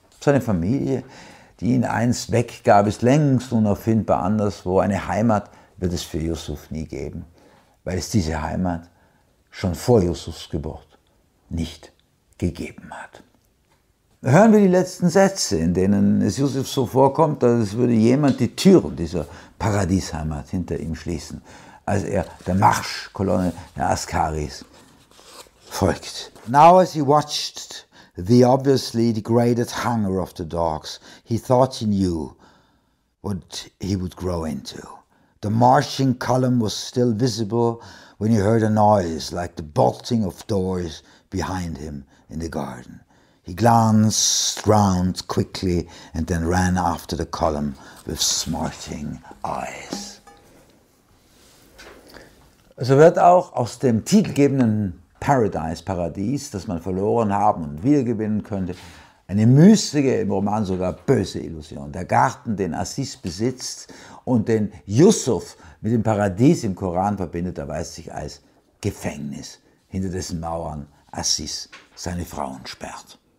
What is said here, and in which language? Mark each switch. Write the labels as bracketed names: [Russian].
[German] Seine Familie, die ihn einst weggab, ist längst unauffindbar anderswo, eine Heimat wird es für Yusuf nie geben, weil es diese Heimat schon vor Yusufs Geburt nicht gegeben hat. Hören wir die letzten Sätze, in denen es Yusuf so vorkommt, als würde jemand die Türen dieser Paradiesheimat hinter ihm schließen, als er der Marschkolonne der Askaris folgt. [English] Now as he watched the obviously degraded hunger of the dogs, he thought he knew what he would grow into. The marching column was still visible when he heard a noise like the bolting of doors behind him in the garden. He glanced round quickly and then ran after the column with smarting eyes. [German] So wird auch aus dem titelgebenden Paradise, Paradies, das man verloren haben und wiedergewinnen könnte, eine mystische, im Roman sogar böse Illusion. Der Garten, den Aziz besitzt und den Yusuf mit dem Paradies im Koran verbindet, erweist sich als Gefängnis, hinter dessen Mauern Aziz seine Frauen sperrt.